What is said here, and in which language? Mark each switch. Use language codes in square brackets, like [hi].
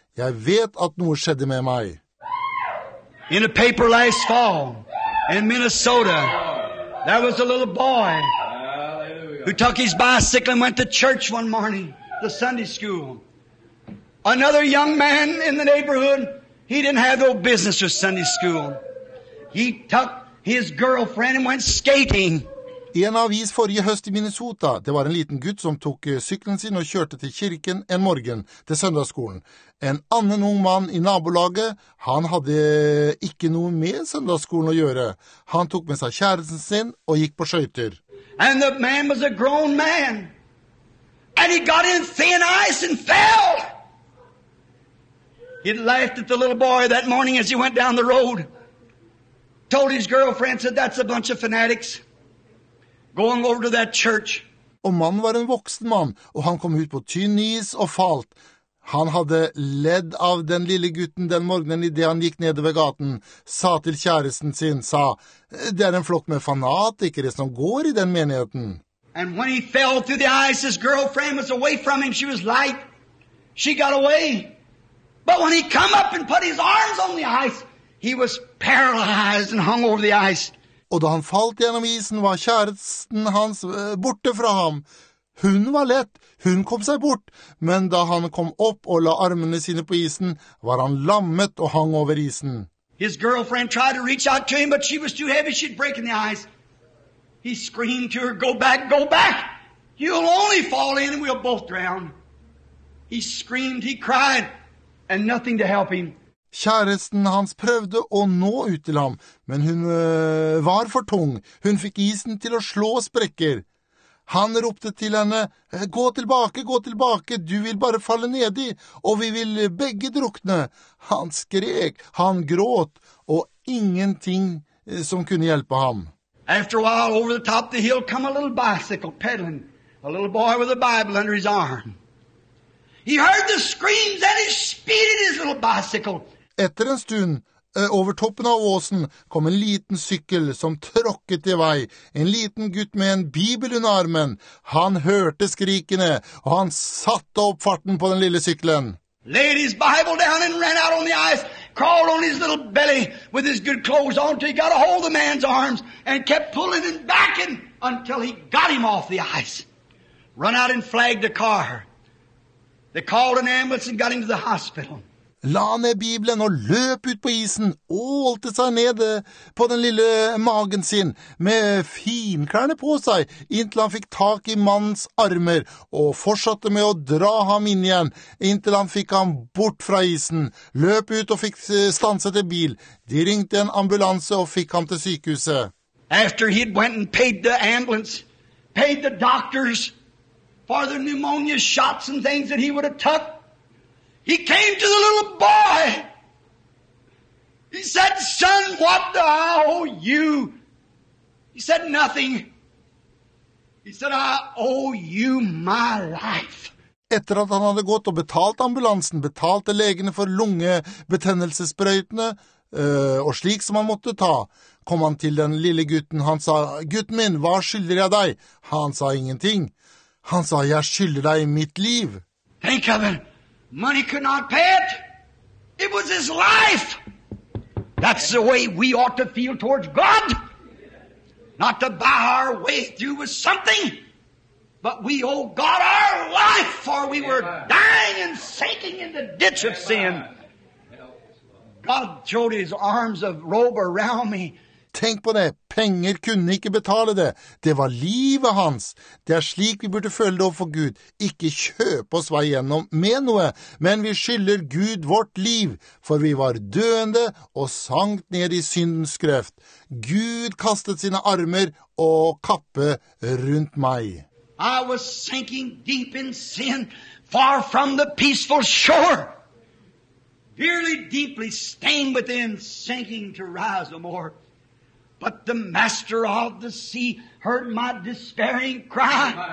[no] Jeg vet at noe skjedde med meg. [en] In a paper last fall, in Minnesota, there was a little boy who took his bicycle and went to church one morning, the Sunday school. Another young man in the neighborhood, he didn't have no business with Sunday school. He took his girlfriend and went skating. [no] En avis forrige høst i Minnesota, det var en liten gutt som tok sykkelen sin og kjørte til kirken en morgen til søndagsskolen. En annen ung mann i nabolaget, han hadde ikke noe med søndagsskolen å gjøre. Han tok med seg kjæresten sin og gikk på skøyter. [en] And the man was a grown man. And he got in thin ice and fell. He laughed at the little boy that morning as he went down the road. Told his girlfriend, said, that's a bunch of fanatics. Going over to that church. [no] Og mannen var en voksen mann, og han kom ut på tynn is og falt. Han hadde ledd av den lille gutten den morgenen i det han gikk nede ved gaten, sa til kjæresten sin, sa, det en flokk med fanatikere som går i den menigheten. [en] And when he fell through the ice, his girlfriend was away from him. She was light. She got away. But when he come up and put his arms on the ice, he was paralyzed and hung over the ice. [no] Og da han falt gjennom isen, var kjæresten hans borte fra ham. Hun var lett, hun kom seg bort, men da han kom opp og la armene sine på isen, var han lammet og hang over isen. [en] His girlfriend tried to reach out to him, but she was too heavy, she'd break in the ice. He screamed to her, go back, go back! You'll only fall in and we'll both drown. He screamed, he cried, and nothing to help him. [no] Kjæresten hans prøvde å nå ut til ham, men hun var for tung. Hun fikk isen til å slå sprekker. Han ropte til henne, gå tilbake, du vil bare falle nedi, og vi vil begge drukne. Han skrek, han gråt, og ingenting som kunne hjelpe ham. [en] After a while, over the top of the hill, come a little bicycle pedaling, a little boy with a Bible under his arm. He heard the screams and he speeded his little bicycle. [no] Etter en stund, over toppen av åsen, kom en liten sykkel som tråkket i vei. En liten gutt med en bibel under armen. Han hørte skrikene, og han satte opp farten på den lille sykkelen. [en] Laid his Bible down and ran out on the ice, crawled on his little belly with his good clothes on till he got a hold of the man's arms and kept pulling and backing until he got him off the ice. Run out and flagged the car. They called an ambulance and got him to the hospital. [no] La ned Bibelen og løp ut på isen, ålte seg ned på den lille magen sin, med finklærne på seg, inntil han fikk tak i mannens armer, og fortsatte med å dra ham inn igjen, inntil han fikk ham bort fra isen, løp ut og fikk stanset en bil. De ringte en ambulanse og fikk ham til sykehuset. [en] After he'd went and paid the ambulance, paid the doctors for the pneumonia shots and things that he would have took, he came to the little boy. He said, son, what do I owe you? He said, nothing. He said, I owe you my life. [no] Etter at han hadde gått og betalt ambulansen, betalte legene for lungebetennelsesprøytene, og slik som han måtte ta, kom han til den lille gutten. Han sa, gutten min, hva skylder jeg deg? Han sa ingenting. Han sa, jeg skylder deg mitt liv. Tenk av det. [en] Money could not pay it. It was his life. That's the way we ought to feel towards God. Not to buy our way through with something, but we owe God our life, for we were dying and sinking in the ditch of sin. God showed his arms of robe around me. [no] Tenk på det. Penger kunne ikke betale det. Det var livet hans. Det slik vi burde føle det overfor Gud. Ikke kjøpe oss vei gjennom med noe, men vi skylder Gud vårt liv, for vi var døende og sank ned i syndens grøft. Gud kastet sine armer og kappe rundt meg. [en] I was sinking deep in sin, far from the peaceful shore. Dearly, deeply stained within, sinking to rise no more. But the master of the sea heard my despairing cry.